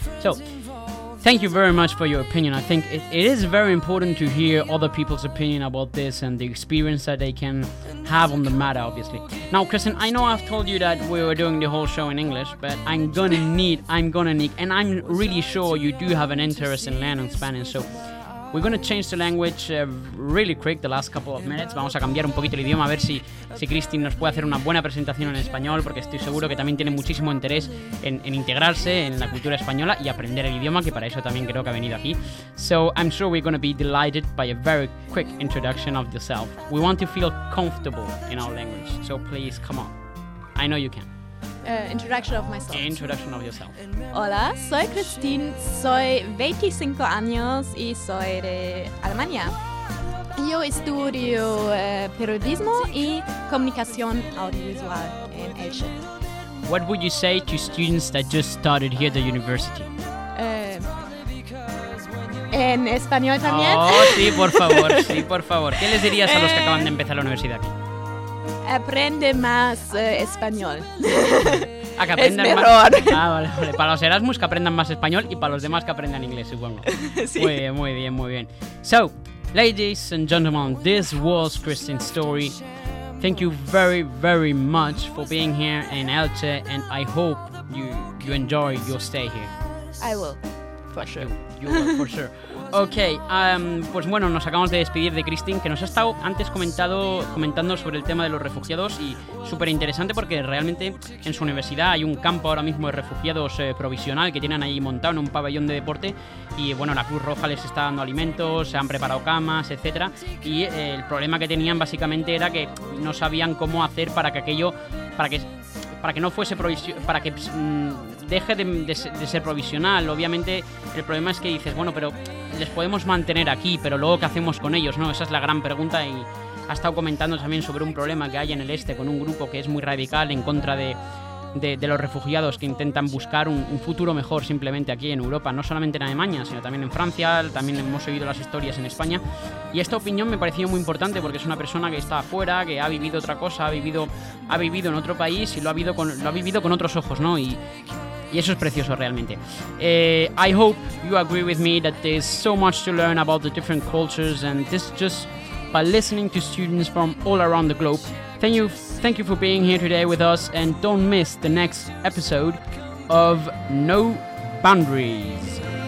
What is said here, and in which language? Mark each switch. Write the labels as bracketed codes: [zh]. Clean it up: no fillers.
[en] So thank you very much for your opinion. I think it is very important to hear other people's opinion about this and the experience that they can have on the matter, obviously. Now, Kristen, I know I've told you that we were doing the whole show in English, but I'm gonna need, and I'm really sure you do have an interest in learning Spanish, so we're gonna change the language really quick, the last couple of minutes. [es] Vamos a cambiar un poquito el idioma, a ver si Kristen nos puede hacer una buena presentación en español, porque estoy seguro que también tiene muchísimo interés en integrarse en la cultura española y aprender el idioma, que para eso también creo que ha venido aquí. [en] So I'm sure we're gonna be delighted by a very quick introduction of yourself. We want to feel comfortable in our language, so please come on. I know you can. Introduction of myself. Introduction of yourself. [es] Hola, soy Christine, soy 25 años y soy de Alemania. Yo estudio periodismo y comunicación audiovisual en Elche. [en] What would you say to students that just started here at the university? [es] En español también. Oh, sí, por favor, sí, por favor. ¿Qué les dirías a los que acaban de empezar la universidad aquí? Aprende más español. Ah, que aprendan es más. Mejor. Ah, vale. Para los Erasmus que aprendan más español y para los demás que aprendan inglés, supongo. Sí. Muy bien. [en] So, ladies and gentlemen, this was Kristen's story. Thank you very, very much for being here in Elche, and I hope you enjoy your stay here. I will, for sure. You will, for sure. [es] Ok, pues bueno, nos acabamos de despedir de Kristen, que nos ha estado antes comentando sobre el tema de los refugiados, y súper interesante porque realmente en su universidad hay un campo ahora mismo de refugiados provisional que tienen ahí montado en un pabellón de deporte, y bueno, la Cruz Roja les está dando alimentos, se han preparado camas, etcétera, y el problema que tenían básicamente era que no sabían cómo hacer para que aquello, deje de ser provisional. Obviamente el problema es que dices, bueno, pero les podemos mantener aquí, pero luego ¿qué hacemos con ellos? No, esa es la gran pregunta, y ha estado comentando también sobre un problema que hay en el este con un grupo que es muy radical en contra de los refugiados que intentan buscar un futuro mejor simplemente aquí en Europa, no solamente en Alemania, sino también en Francia, también hemos oído las historias en España, y esta opinión me pareció muy importante porque es una persona que está afuera, que ha vivido otra cosa, ha vivido en otro país y lo ha vivido con otros ojos, ¿no? Y eso es precioso realmente. [en] I hope you agree with me that there's so much to learn about the different cultures, and this just by listening to students from all around the globe. Thank you for being here today with us, and don't miss the next episode of No Boundaries.